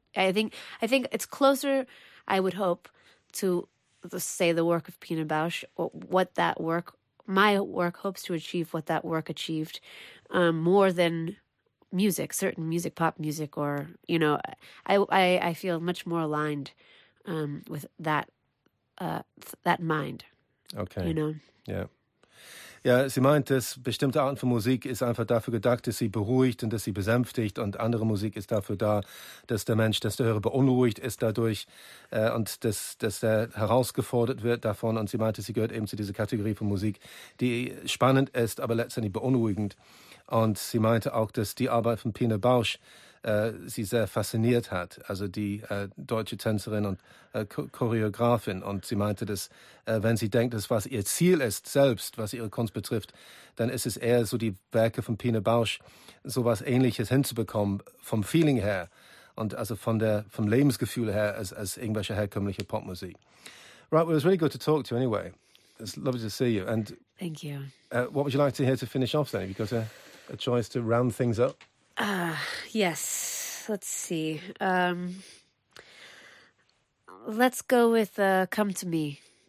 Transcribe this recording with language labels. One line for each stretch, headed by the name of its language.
English: I think it's closer, I would hope, to say the work of Pina Bausch, or what that work, my work, hopes to achieve, what that work achieved, more than music, certain music, pop music, or you know, I feel much more aligned with that that mind. Okay. You know. Yeah.
German: Ja, sie meint, dass bestimmte Arten von Musik ist einfach dafür gedacht, dass sie beruhigt und dass sie besänftigt, und andere Musik ist dafür da, dass der Mensch, dass der Hörer beunruhigt ist dadurch, und dass er herausgefordert wird davon. Und sie meinte, sie gehört eben zu dieser Kategorie von Musik, die spannend ist, aber letztendlich beunruhigend. Und sie meinte auch, dass die Arbeit von Pina Bausch sie sehr fasziniert hat, also die deutsche Tänzerin und Choreografin. Und sie meinte, dass wenn sie denkt, dass was ihr Ziel ist selbst, was ihre Kunst betrifft, dann ist es eher so die Werke von Pina Bausch, sowas Ähnliches hinzubekommen vom Feeling her und also vom Lebensgefühl her als irgendwelche herkömmliche Popmusik.
English: Right, well, it was really good to talk to you anyway. It's lovely to see you. And thank you. What would you like to hear to finish off then? Have you got a choice to round things up? Yes. Let's see. Let's go with Come to Me.